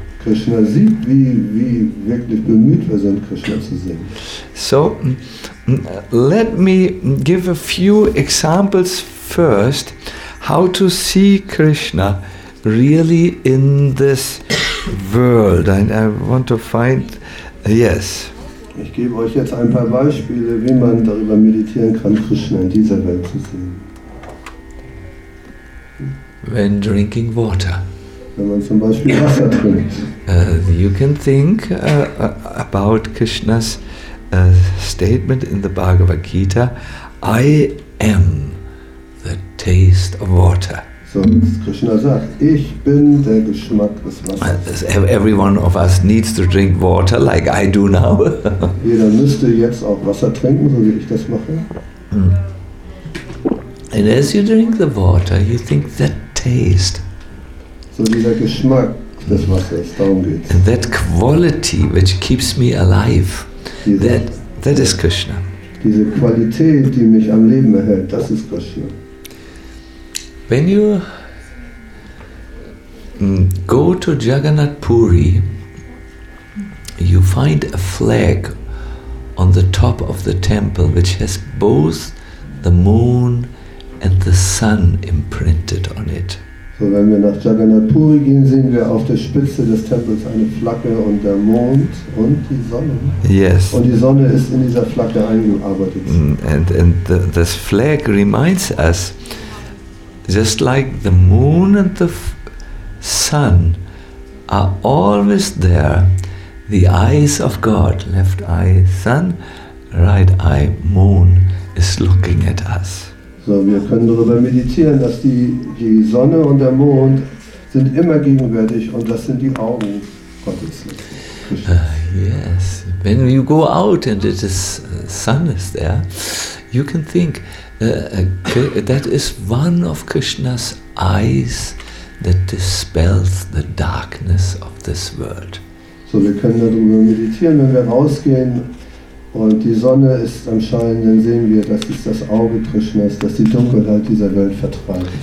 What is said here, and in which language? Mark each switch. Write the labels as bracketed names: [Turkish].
[German] Krishna sieht, wie wirklich bemüht wir sind, Krishna zu sehen. [English] So, let me give a few examples first, how to see Krishna really in this world. And I want to find, yes. [German] Ich gebe euch jetzt ein paar Beispiele, wie man darüber meditieren kann, Krishna in dieser Welt zu sehen. [English] When drinking water. [German] Wenn man zum Beispiel Wasser trinkt. [English] You can think about Krishna's statement in the Bhagavad Gita, I am the taste of water. [German] So, Krishna sagt, ich bin der Geschmack des Wassers. [English] Every one of us needs to drink water, like I do now. [German] Jeder müsste jetzt auch Wasser trinken, so wie ich das mache. [English] And as you drink the water, you think that taste. [German] So dieser Geschmack des Wassers, darum geht's. [English] And that quality which keeps me alive, that is Krishna. [German] Diese Qualität, die mich am Leben erhält, das ist Krishna. [English] When you go to Jagannath Puri, you find a flag on the top of the temple which has both the moon and the sun imprinted on it. [German] So wenn wir nach Jagannath Puri gehen, sehen wir auf der Spitze des Tempels eine Flagge und der Mond und die Sonne. [English] Yes. [German] Und die Sonne ist in dieser Flagge eingearbeitet. [English] And this flag reminds us, just like the moon and the sun are always there, the eyes of God, left eye sun, right eye moon, is looking at us. [German] So, wir können darüber meditieren, dass die Sonne und der Mond sind immer gegenwärtig und das sind die Augen Gottes. [English] Yes, when you go out and it is sun is there, you can think, that is one of Krishna's eyes that dispels the darkness of this world. [German] So wir können darüber meditieren, wenn wir rausgehen und die Sonne ist am Schein, dann sehen wir, das ist das Auge Krishnas, das die Dunkelheit dieser Welt vertreibt.